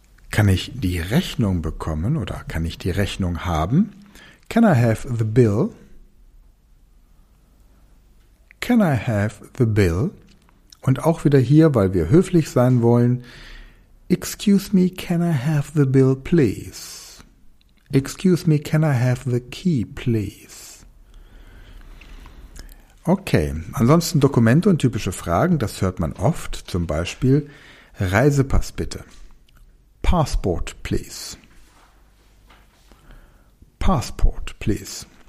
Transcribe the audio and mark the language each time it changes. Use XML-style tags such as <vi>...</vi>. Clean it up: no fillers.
<de>Kann ich die Rechnung bekommen oder kann ich die Rechnung haben?</de> <en>Can I have the bill? Can I have the bill?</en> <de>Und auch wieder hier, weil wir höflich sein wollen.</de> <en>Excuse me, can I have the bill, please? Excuse me, can I have the key, please?</en> <de>Okay, ansonsten Dokumente und typische Fragen, das hört man oft. Zum Beispiel Reisepass bitte.</de> <en>Passport, please. Passport, please.</en>